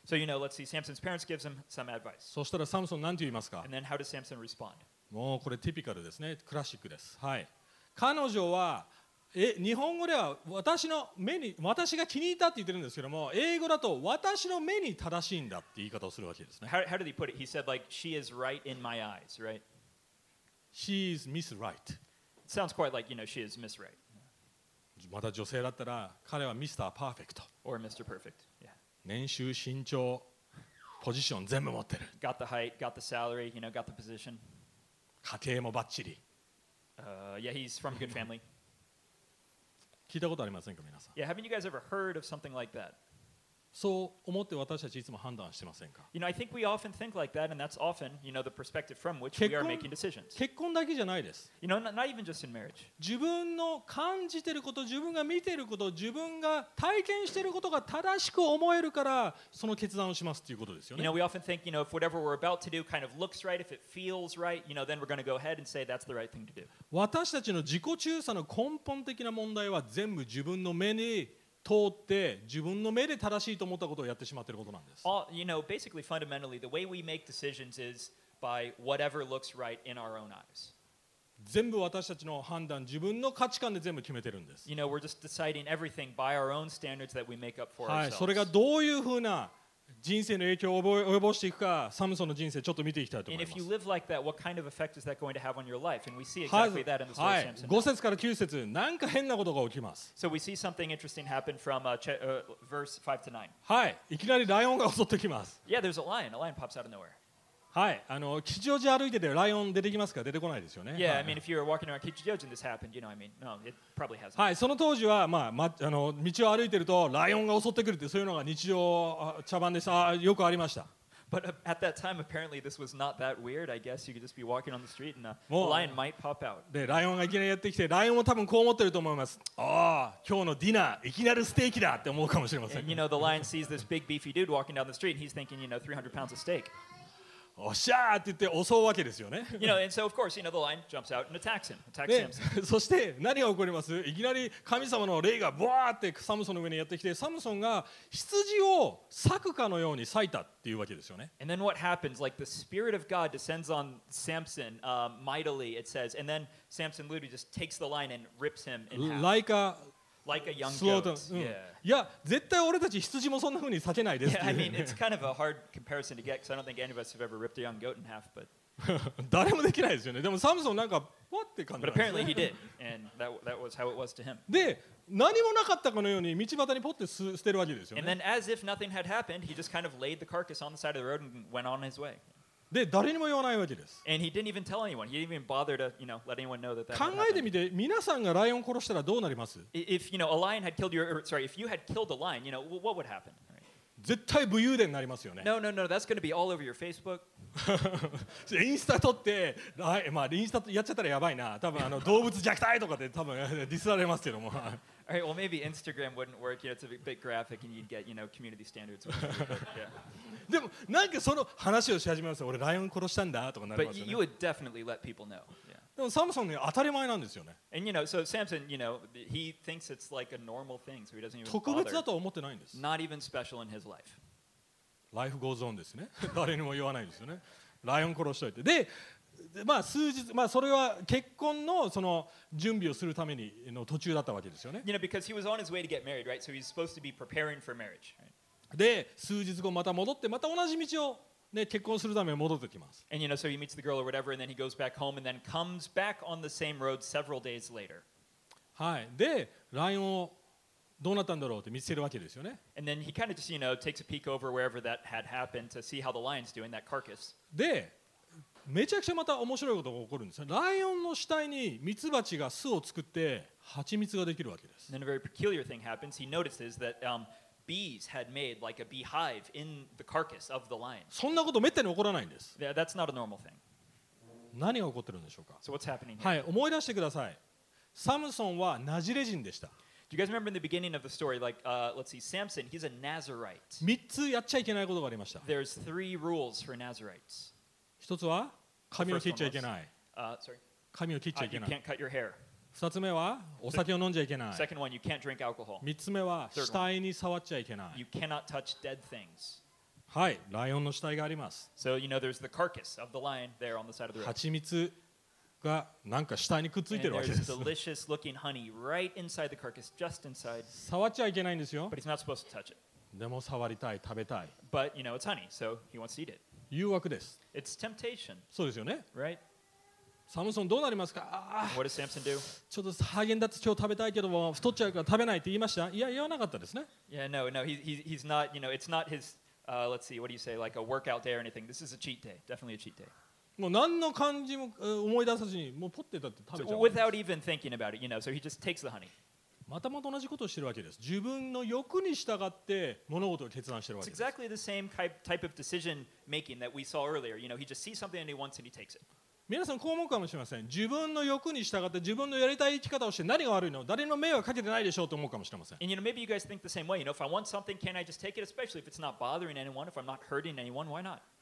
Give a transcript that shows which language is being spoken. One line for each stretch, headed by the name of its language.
English: So you know, let's see, Samson's parents gives him some advice.
Japanese: そしたらサムソン何て言いますか?
English: And then how does Samson respond?
Japanese: もうこれティピカルですね。クラシックです。はい。彼女は日本語では私の目に私が気に入ったって言ってるんですけども、英語だと私の目に正しいんだって言い方をするわけですね。
English: How did he put it? He said like she is right in my eyes, right? She is Miss Right. It sounds quite like you know she is Miss Right.
Japanese: また女性だったら彼はミスターパーフェクト。
English: Or Mr. Perfect. Yeah.
Japanese: 年収、身長、ポジション全部持ってる。
English: Got the height, got the salary, you know, got the position.
Japanese: 家庭もバッチリ。
English: Yeah, he's from a good family.
Japanese: 聞いたことありませんか、皆さん。
English: Yeah, haven't you guys ever heard of something like that?
Japanese: そう思って私たちいつも判断してませんか。
English: You know, I think we often think like that, and that's often, you know, the perspective from which we are making decisions.
Japanese: 結婚だけじゃないです。
English: You know, not even just in marriage.
Japanese: 自分の感じてること、自分が見てること、自分が体験してることが正しく思えるから、その決断をしますということですよね。
English: You know, we often think, you know, if whatever we're about to do kind of looks right, if it feels right, you know, then we're going to go ahead and say that's the right thing to do.
Japanese: 私たちの自己中さの根本的な問題は全部自分の目に通って自分の目で正しいと思ったことをやってしまっていることなんです。
English: All, you know, basically, fundamentally, the way we make decisions is by whatever looks right in our own eyes.
Japanese: 全部私たちの判断、自分の価値観で全部決めてるんです。
English: You know, we're just deciding everything by our own standards that we make up for ourselves.
Japanese: はい、それがどういうふうな人生の影響を及ぼしていくか、サムソンの人生ちょっと見ていきたいと思います。
English: And if you live like that, what kind of effect is that going to have on your life? And we see exactly that in the story of Samson.
Japanese: はい、5節から9節、なんか変なことが起きます。
English: So we see something interesting happen from verse 5 to 9.
Japanese: はい、いきなりライオンが襲ってきます。
English: Yeah, there's a lion. A lion pops out of nowhere.
Japanese: はい、吉祥寺歩いててライオン出てきますか？出てこないですよね。
English: Yeah, I mean, if you were walking around Kichijoji and this happened, you know, I mean, no, it probably hasn't.
Japanese: はい、その当時は、まあ、ま、道を歩いてるとライオンが襲ってくるってそういうのが日常茶番でさ、よくありました。
English: But at that time, apparently, this was not that weird. I guess you could just be walking on the street and a lion might pop out.
Japanese: で、ライオンがいきなりやってきて、ライオンも多分こう思ってると思います。ああ、今日のディナー、いきなりステーキだって思うかもしれません。
English: And, you know, the lion sees this big beefy dude walking down the street and he's thinking, you know, 300 pounds of steak.
Japanese: おしゃーって言って襲うわけですよね。
English: You know, and so of course, you know, the lion jumps out and attacks him. Attacks him.
Japanese: そして何が起こります？いきなり神様の霊がブワーってサムソンの上にやってきて、サムソンが羊を裂くかのように裂いたっていうわけですよね。
English: And then what happens? Like the spirit of God descends on Samson, mightily, it says. And then Samson literally just takes the lion and rips him in half. Like a young goat. Yeah.
Japanese: いや、絶対俺たち羊もそんな風に裂けないですっていう。
English: Yeah, I mean, it's kind of a hard comparison to get because I don't think any of us have ever ripped a young goat in half, but
Japanese: 誰もできないですよね。でもサムソンなんかわって感じなんですね。
English: But apparently he did, and that was how it was to him.
Japanese: で、何もなかったかのように道端にポッて捨てるわけですよね。
English: And then as if nothing had happened, he just kind of laid the carcass on the side of the road and went on his way.
Japanese: で誰にも言わないわけです。
English: And he didn't even tell anyone. He didn't even bother to, you know, let anyone know that.
Japanese: 考えてみて、皆さんがライオン殺したらどうなります？
English: If you know a lion had killed you, or sorry, if you had killed a lion, you know what would happen?
Japanese: 絶対武勇伝になりますよね。
English: No, no, no. That's going to be all over your Facebook.
Japanese: インスタ撮って、まあ、インスタ撮ってやっちゃったらやばいな。多分あの動物虐待とかで多分ディスられますけども。
English: All right, well, maybe Instagram wouldn't work. You know, it's a bit graphic and you'd get, you know, community standards.
Japanese: でもなんかその話をし始めますよ。俺ライオン殺したんだとかなりますよね。
English: But you would definitely let people know.
Japanese: でもサムソンね、当たり前なんですよね。
English: And you know, so Samson, you know, he thinks it's like a normal thing, so he doesn't even bother.
Japanese: 特別だと思ってないんです。
English: Not even special in his life. Life goes on
Japanese: ですね。誰にも言わないですよね。ライオン殺しといて。で、まあ数日、まあそれは結婚のその準備をするためにの途中だったわけですよね。
English: You know, because he was on his way to get married, right? So he's supposed to be preparing for marriage.
Japanese: で、数日後また戻って、また同じ道を。ね、結婚するために戻ってきます。
English: And you know, so he meets the girl or whatever, and then he goes back home, and then comes back on the same road several days later.
Japanese: はい。で、ライオンをどうなったんだろうって見つけるわけですよね。
English: And then he kind of just, you know, takes a peek over wherever that had happened to see how the lion's doing that carcass.
Japanese: で、めちゃくちゃまた面白いことが起こるんですよ。ライオンの死体にミツバチが巣を作って蜂蜜ができるわけです。
English: And then a very peculiar thing happens. He notices that bees had made like a beehive in the carcass of the lion.
Japanese: そんなことめったに起こらないんです。
English: Yeah, that's not a normal thing.
Japanese: 何が起こってるんでしょうか。
English: So what's happening here?
Japanese: はい、思い出してください。サムソンはナジレ人でした。
English: Do you guys remember in the beginning of the story, like, let's see, Samson, he's a Nazarite.
Japanese: 三つやっちゃいけないことがありました。
English: There's three rules for Nazarites.
Japanese: 一つは髪を切っちゃいけない。
English: Sorry.
Japanese: 髪を切っちゃいけない。
English: You can't cut your hair.
Japanese: 二つ目はお酒を飲んじゃいけない。
English: Second one, you can't drink alcohol.
Japanese: 三つ目は死体に触っちゃいけない。
English: You cannot touch dead things.
Japanese: はい、ライオンの死体があります。
English: So you know there's the carcass of the lion there on the side of the road.
Japanese: 蜂蜜がなんか死体にくっついてるわけです。
English: And there's delicious looking honey right inside the carcass, just inside.
Japanese: 触っちゃいけないんですよ。
English: But he's not supposed to touch it.
Japanese: でも触りたい、食べたい。
English: But you know it's honey, so he wants to eat it.
Japanese: 誘惑です。
English: It's temptation.
Japanese: そうですよね。
English: Right?
Japanese: サムソンどうなりますか。
English: What does Samson do?
Japanese: ちょっとハーゲンダッツ今日食べたいけども太っちゃうから食べないって言いました。いや言わなかったですね。
English: Yeah, no, no. He's not. You know, it's not his. Let's see. What do you say? Like a workout day or anything. This is a cheat day. Definitely a cheat day.
Japanese: もう何の感じも思い出さずにもうポッてだって食べちゃう。
English: So, without even thinking about it, you know. So he just takes the honey.
Japanese: またまた同じことをしているわけです。自分の欲に従って物事を決断しているわけです。
English: It's exactly the same type of decision making that we saw earlier. You know, he just sees something and he wants and he takes it.
Japanese: 皆さんこう思うかもしれません。自分の欲に従って自分のやりたい生き方をして何が悪いの？誰にも迷惑かけてないでしょうと思うかもしれません。
English: And you know, maybe you guys think the same way. You know, if I want something, can I just take it? Especially if it's not bothering anyone, if I'm not hurting anyone, why not?